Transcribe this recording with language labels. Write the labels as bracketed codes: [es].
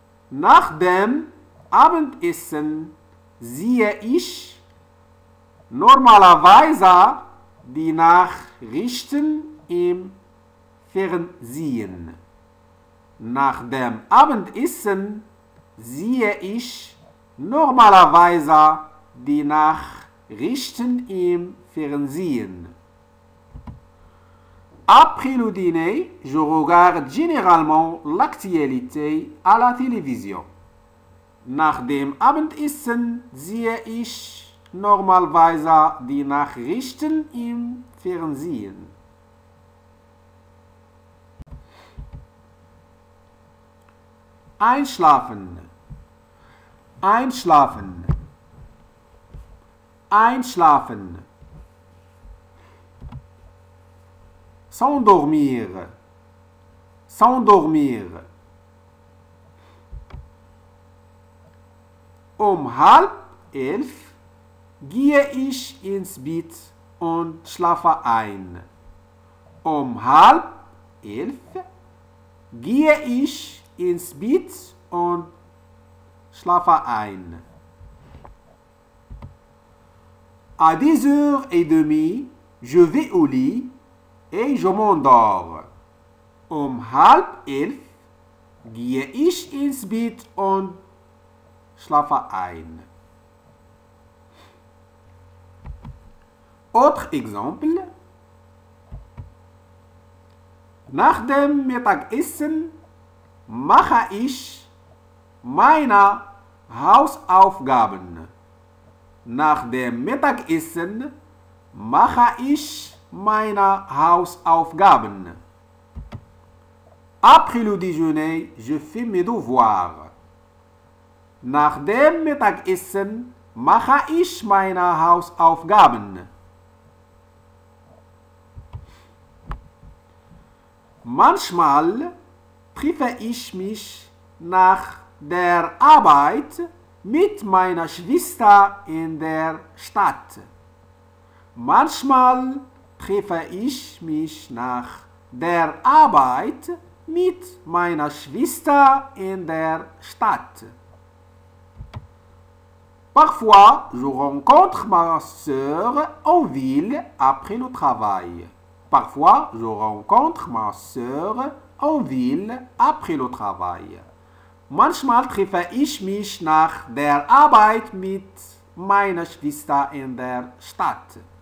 [de] Nach dem Abendessen sehe ich normalerweise die Nachrichten im Fernsehen. Nach dem Abendessen sehe ich normalerweise die Nachrichten im Fernsehen. [fr] Après le dîner, je regarde généralement l'actualité à la télévision. [de] Nach dem Abendessen sehe ich normalerweise die Nachrichten im Fernsehen. Einschlafen. Einschlafen. Einschlafen. [fr] S'endormir. S'endormir. [de] Halb elf gehe ich ins Bett und schlafe ein. Halb elf gehe ich ins Bett und schlafe ein. [fr] À 10h30, je vais au lit et je m'endors. [de] Halb elf gehe ich ins Bett und schlafe ein. [fr] Autre exemple. [de] Nach dem Mittagessen mache ich meine Hausaufgaben. Nach dem Mittagessen mache ich meine Hausaufgaben. [fr] Après le déjeuner, je fais mes devoirs. [de] Nach dem Mittagessen mache ich meine Hausaufgaben. Manchmal treffe ich mich nach der Arbeit mit meiner Schwester in der Stadt. Manchmal treffe ich mich nach der Arbeit mit meiner Schwester in der Stadt. [fr] Parfois, je rencontre ma sœur en ville après le travail. Parfois, je rencontre ma sœur en ville après le travail. [de] Manchmal treffe ich mich nach der Arbeit mit meiner Schwester in der Stadt.